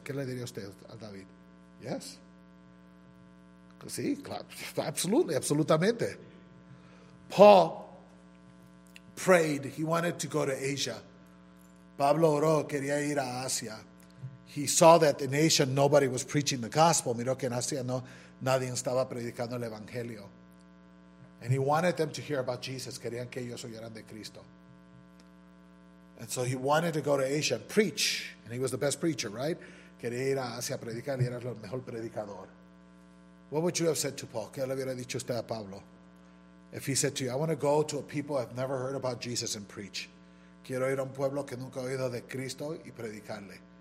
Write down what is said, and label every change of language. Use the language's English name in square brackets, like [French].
[Spanish] ¿Qué le diría usted a David? Yes. Sí, claro. [English] Absolutely, absolutamente. Paul prayed. He wanted to go to Asia. [Spanish] Pablo oró, quería ir a Asia. [English] He saw that in Asia nobody was preaching the gospel. [Spanish] Miró que en Asia no, nadie estaba predicando el evangelio. [English] And he wanted them to hear about Jesus. [Spanish] Querían que ellos oyeran de Cristo. [English] And so he wanted to go to Asia and preach. And he was the best preacher, right? [Spanish] Quería ir a Asia a predicar y era el mejor predicador. [English] What would you have said to Paul? [Spanish] ¿Qué le hubiera dicho usted a Pablo? [English] If he said to you, I want to go to a people I've never heard about Jesus and preach. [Spanish] Quiero ir a un pueblo que nunca ha oído de Cristo y predicarle.